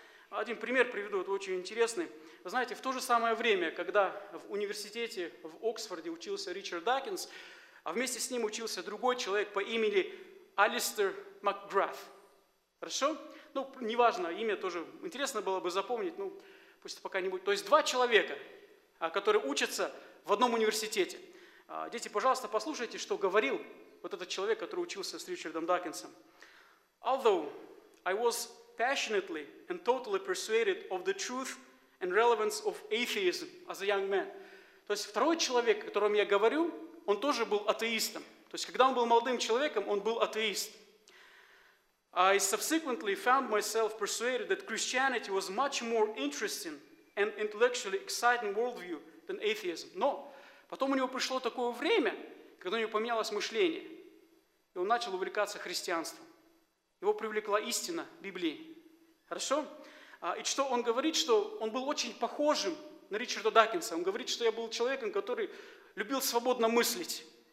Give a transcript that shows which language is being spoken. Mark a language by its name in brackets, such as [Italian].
[Russian] Один пример приведу, это очень интересный. Вы знаете, в то же самое время, когда в университете в Оксфорде учился Ричард Дакинс, а вместе с ним учился другой человек по имени Алистер Макграф. Хорошо? Ну, неважно, имя тоже интересно было бы запомнить, ну, пусть пока не будет. То есть два человека, которые учатся в одном университете. Дети, пожалуйста, послушайте, что говорил вот этот человек, который учился с Ричардом Дакинсом. [English] Although I was passionately and totally persuaded of the truth and relevance of atheism as a young man. [Russian] То есть второй человек, о котором я говорю, он тоже был атеистом. То есть когда он был молодым человеком, он был атеист. [English] I subsequently found myself persuaded that Christianity was much more interesting and intellectually exciting worldview than atheism. [Russian] Но потом у него пришло такое время, когда у него поменялось мышление, и он начал увлекаться христианством. Его привлекла истина Библии. Хорошо? И что он говорит, что он был очень похожим на Ричарда Дакинса. Он говорит, что я был человеком, который любил свободно мыслить.